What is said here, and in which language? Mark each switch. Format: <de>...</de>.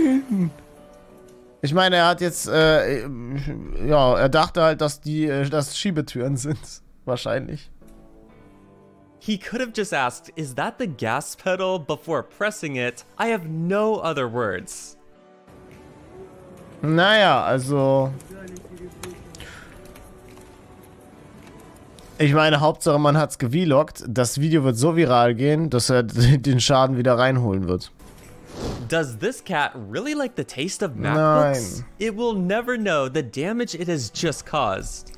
<de>Nein! Ich meine, er hat jetzt, ja, er dachte halt, dass die, dass Schiebetüren sind. Wahrscheinlich.</de> <en>He could have just asked, is that the gas pedal before pressing it? I have no other words.</en> <de>Naja, also. Ich meine, Hauptsache, man hat's gevloggt. Das Video wird so viral gehen, dass er den Schaden wieder reinholen wird.</de> <en>Does this cat really like the taste of MacBooks?</en> <de>Nein.</de> <en>It will never know the damage it has just caused.</en>